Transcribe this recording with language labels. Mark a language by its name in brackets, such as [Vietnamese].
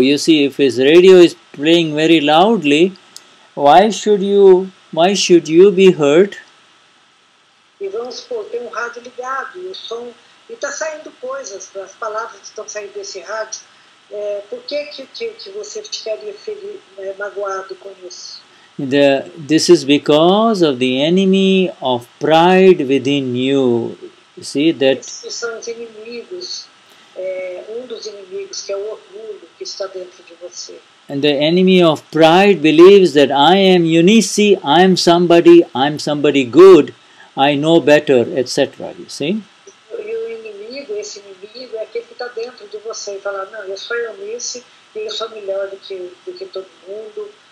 [English] You see, if his radio is playing very loudly, why should you be hurt? [Portuguese] E vamos supor, tem rádio ligado, o som, e tá saindo coisas, as palavras estão saindo desse rádio. Por que você ficaria magoado com isso? [English] This is because of the enemy of pride within you. See that. [Portuguese] Esses são os inimigos. Dos inimigos que é o orgulho que está dentro de você. [English] And the enemy of pride believes that I am Eunice, I am somebody. I am somebody good. I know better, etc. You see. [Portuguese] E o inimigo, esse inimigo, é aquele que está dentro de você e fala, não, eu sou Eunice e eu sou melhor do que todo mundo.